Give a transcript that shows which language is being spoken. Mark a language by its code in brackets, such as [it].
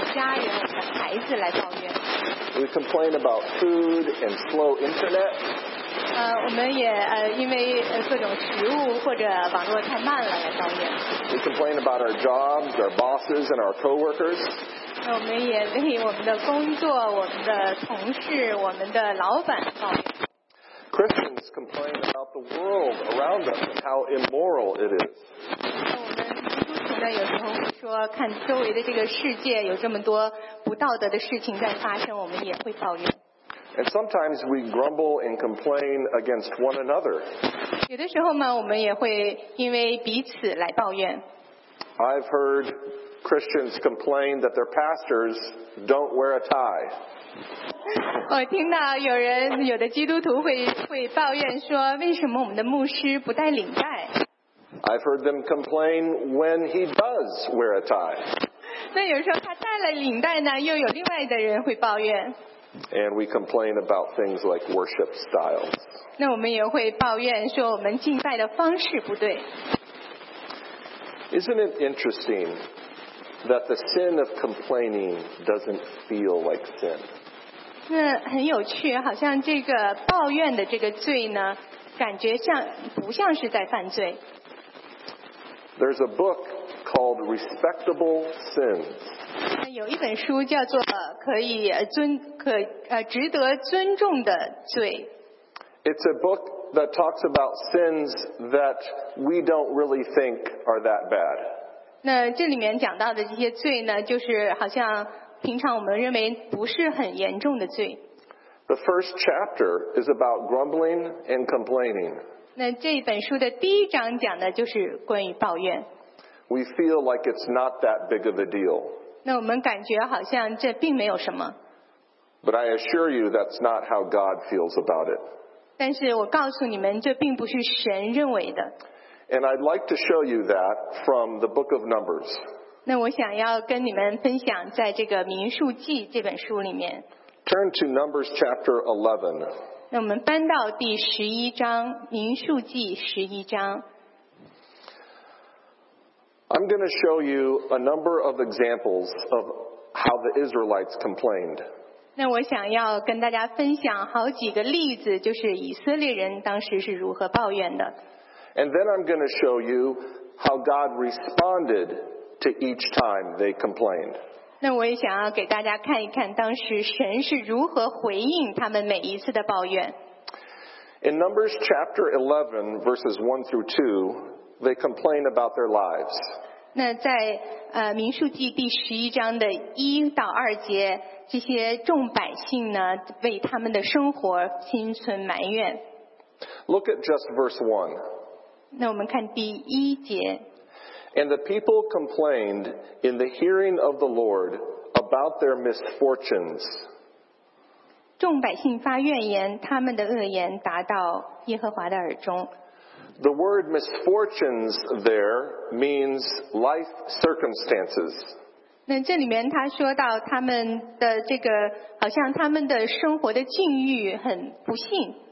[en] We complain about food and slow internet. [zh] 我们也因为各种食物或者网络太慢了来抱怨。 [en] We complain about our jobs, our bosses, and our coworkers. [zh] 那我们也为我们的工作、我们的同事、我们的老板抱怨。 [en] Christians complain about the world around us and how immoral it is. [zh] 我们那有时候会说，看周围的这个世界有这么多不道德的事情在发生，我们也会抱怨。 [en] And sometimes we grumble and complain against one another. [zh] 有的时候嘛，我们也会因为彼此来抱怨。 [en] I've heard Christians complain that their pastors don't wear a tie. [zh] 我听到有人有的基督徒会抱怨说，为什么我们的牧师不戴领带？ [en] I've heard them complain when he does wear a tie. [zh] 那有时候他戴了领带呢，又有另外的人会抱怨。 [en] And we complain about things like worship styles. [zh] 那我们也会抱怨说我们敬拜的方式不对。 [en] Isn't it interesting that the sin of complaining doesn't feel like sin? [zh] 那很有趣，好像这个抱怨的这个罪呢，感觉像不像是在犯罪。 [en] There's a book called Respectable Sins. [zh] 有一本书叫做值得尊重的罪。 [en] It's a book that talks about sins that we don't really think are that bad. [zh] 那这里面讲到的这些罪呢，就是好像平常我们认为不是很严重的罪。 [en] The first chapter is about grumbling and complaining. [zh] 那这本书的第一章讲的就是关于抱怨。 [en] We feel like it's not that big of a deal. [zh] 那我们感觉好像这并没有什么。 [en] But I assure you that's not how God feels about it. [zh] 但是我告诉你们，这并不是神认为的。 [en] And I'd like to show you that from the book of Numbers. [zh] 那我想要跟你们分享在这个民数记这本书里面。 [en] Turn to Numbers chapter 11. [zh] 那我们搬到第十一章，民数记十一章。 [en] I'm going to show you a number of examples of how the Israelites complained. [zh] 那我想要跟大家分享好几个例子，就是以色列人当时是如何抱怨的。 [en] And then I'm going to show you how God responded to each time they complained. [zh] 那我也想要给大家看一看当时神是如何回应他们每一次的抱怨。 [en] In Numbers chapter 11, verses 1 through 2, they complain about their lives. [zh] 那在民数记第十一章的一到二节，这些众百姓呢，为他们的生活心存埋怨。 [en] Look at just verse 1. [zh] 那我们看第一节。 [en] And the people complained in the hearing of the Lord about their misfortunes. [zh] 众百姓发怨言，他们的恶言达到耶和华的耳中。 [en] The word misfortunes there means life circumstances. [zh] 那这里面他说到他们的这个，好像他们的生活的境遇很不幸。